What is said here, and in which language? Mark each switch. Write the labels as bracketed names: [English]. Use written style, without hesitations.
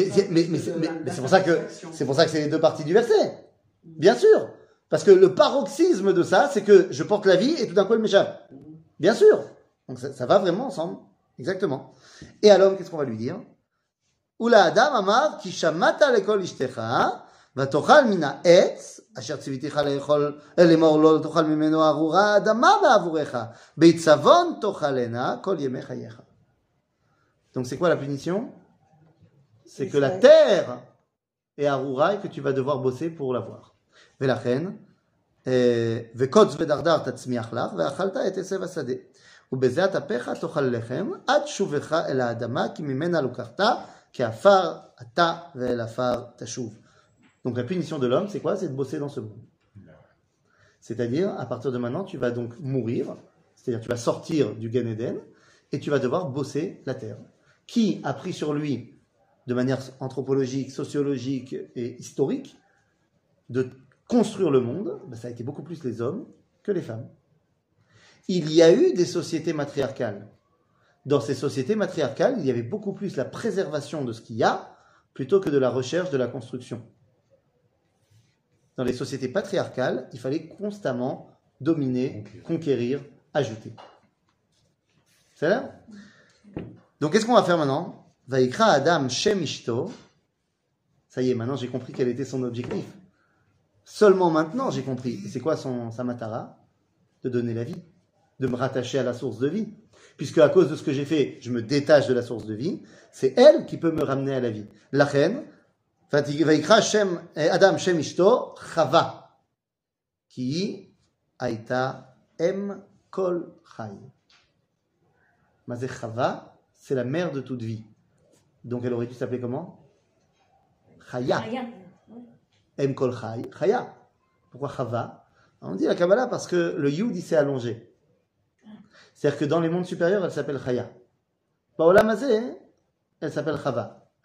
[French] Mais c'est pour ça que c'est les deux parties du verset. Bien sûr. Parce que le paroxysme de ça, c'est que je porte la vie et tout d'un coup elle m'échappe. Bien sûr. Donc ça va vraiment ensemble. Exactement. Et à l'homme, qu'est-ce qu'on va lui dire ? [Hebrew] Oula Adam amar ki shamata lekol ishtecha. ותאכל מן העץ, אשר ציוויתיך לאכול, לאמור לו, תאכל ממנו ארורה, אדמה בעבורך, בעיצבון תאכלנה, כל ימי חייך. [French] Donc c'est quoi la punition? C'est que la terre est ארורה et que tu vas devoir bosser pour l'avoir. [Hebrew] ולכן, וקוץ ודרדר תצמיח לך, ואכלת את עשב השדה. ובזה אפיך תאכל לחם, עד שובך אל האדמה, כי ממנה לוקחת, כי עפר אתה ואל עפר תשוב. [French] Donc la punition de l'homme, c'est quoi? C'est de bosser dans ce monde. C'est-à-dire, à partir de maintenant, tu vas donc mourir, c'est-à-dire tu vas sortir du Gan Eden et tu vas devoir bosser la terre. Qui a pris sur lui, de manière anthropologique, sociologique et historique, de construire le monde? Ben, ça a été beaucoup plus les hommes que les femmes. Il y a eu des sociétés matriarcales. Dans ces sociétés matriarcales, il y avait beaucoup plus la préservation de ce qu'il y a plutôt que de la recherche de la construction. Dans les sociétés patriarcales, il fallait constamment dominer, conquérir, ajouter. C'est là ? Donc, qu'est-ce qu'on va faire maintenant ? [Hebrew] Vaikra Adam Shem Ishto. [French] Ça y est, maintenant j'ai compris quel était son objectif. Seulement maintenant j'ai compris. Et c'est quoi sa matara ? De donner la vie, de me rattacher à la source de vie. Puisque à cause de ce que j'ai fait, je me détache de la source de vie. C'est elle qui peut me ramener à la vie. La reine. [Hebrew] ויקרא שם אדם שם אשתו חווה כי היא הייתה אם כל חי. מה זה חווה? [French] C'est la mère de toute vie. Donc elle aurait dû s'appeler comment? חיה. [Hebrew] אם כל חי, חיה. [French] Pourquoi חווה? On dit la Kabbalah parce que le יוד s'est allongé. C'est-à-dire que dans les mondes supérieurs, elle s'appelle חיה. [Hebrew] בעולם הזה, [French] elle s'appelle חווה.